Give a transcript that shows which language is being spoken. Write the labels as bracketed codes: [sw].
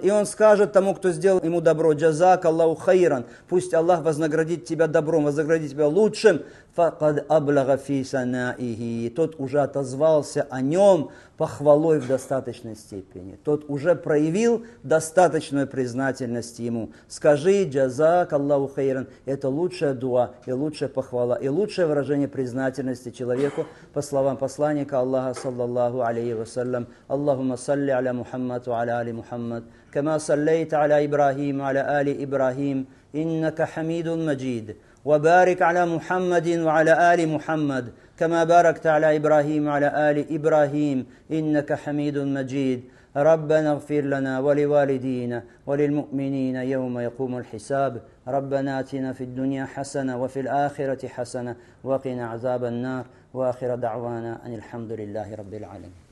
[ru] И он скажет тому, кто сделал ему добро, [ar] جَزَاكَ اللَّهُ خَيْرًا. [ru] Пусть Аллах вознаградит тебя добром, вознаградит тебя лучшим. [ar] فَقَدْ أَبْلَغَ فِي سَنَائِهِ. [ru] Тот уже отозвался о нем похвалой в достаточной степени. Тот уже проявил достаточную признательность ему. Скажи [ar] جَزَاكَ اللَّهُ خَيْرًا. [ru] Это лучшая дуа и лучшая похвала и лучшее выражение признательности человеку по словам посланника Аллаха саллаллаху алейхи ва саллям. [ar] اللهم صل على محمد وعلى آل محمد كما صليت على إبراهيم وعلى آل إبراهيم إنك حميد مجيد وبارك على محمد وعلى آل محمد كما باركت على إبراهيم وعلى آل إبراهيم إنك حميد مجيد ربنا اغفر لنا ولوالدينا وللمؤمنين يوم يقوم الحساب ربنا آتنا في الدنيا حسنة وفي الآخرة حسنة وقنا عذاب النار وآخر دعوانا أن الحمد لله رب العالمين.